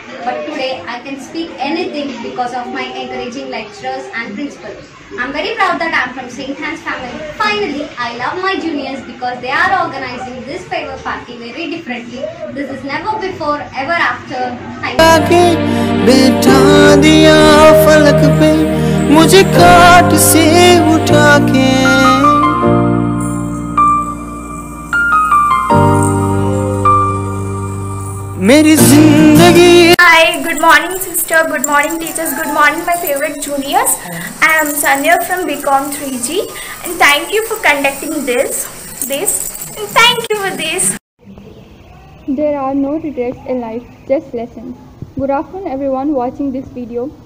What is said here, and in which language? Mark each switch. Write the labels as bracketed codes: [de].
[en] But today, I can speak anything because of my encouraging lecturers and principals. I'm very proud that I'm from St. Anne's family. Finally, I love my juniors because they are organizing this farewell party very differently. This is never before, ever after. Thank you. [hi] बिठा दिया फलक पे मुझे काट से उठा के मेरी जिंदगी. [en] Hi, good morning sister, good morning teachers, good morning my favorite juniors. I am Sanya from BCom 3G and thank you for conducting this and thank you for this. There are no regrets in life, just lessons. Good afternoon everyone watching this video.